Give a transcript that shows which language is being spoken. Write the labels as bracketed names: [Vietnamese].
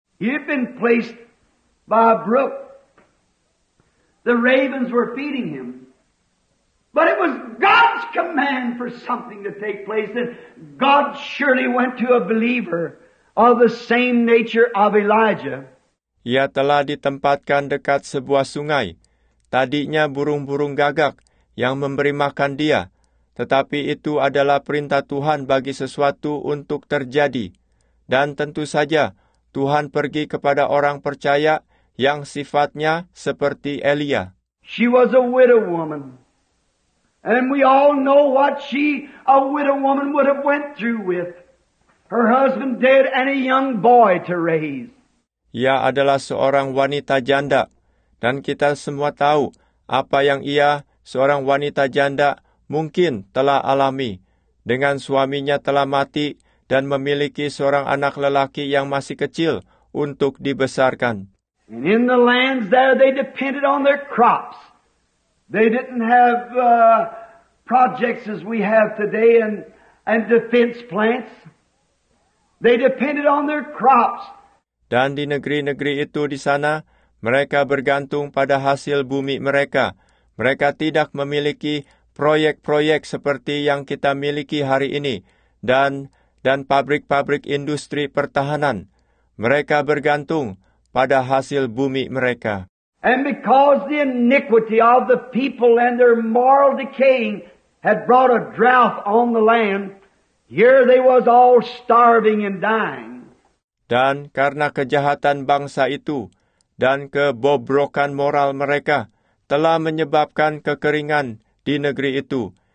[English] He'd been placed by a brook. The ravens were feeding him. But it was God's command for something to take place, and God surely went to a believer of the same nature of Elijah. [Indonesian] Ia telah ditempatkan dekat sebuah sungai. Tadinya burung-burung gagak yang memberi makan dia. Tetapi itu adalah perintah Tuhan bagi sesuatu untuk terjadi. Dan tentu saja, Tuhan pergi kepada orang percaya yang sifatnya seperti Elia. [English] She was a widow woman. And we all know what she, a widow woman, would have went through with. Her husband dead and a young boy to raise. [Indonesian] Ia adalah seorang wanita janda. Dan kita semua tahu apa yang ia, seorang wanita janda, mungkin telah alami. Dengan suaminya telah mati dan memiliki seorang anak lelaki yang masih kecil untuk dibesarkan. [English] And in the lands there they depended on their crops. They didn't have projects as we have today and defense plants. They depended on their crops. [Indonesian] Dan di negeri-negeri itu di sana, mereka bergantung pada hasil bumi mereka. Mereka tidak memiliki proyek-proyek seperti yang kita miliki hari ini dan pabrik-pabrik industri pertahanan. Mereka bergantung pada hasil bumi mereka. [English] And because the iniquity of the people and their moral decaying had brought a drought on the land, here they was all starving and dying. [Indonesian] Dan karena kejahatan bangsa itu dan kebobrokan moral mereka telah menyebabkan kekeringan di negeri itu.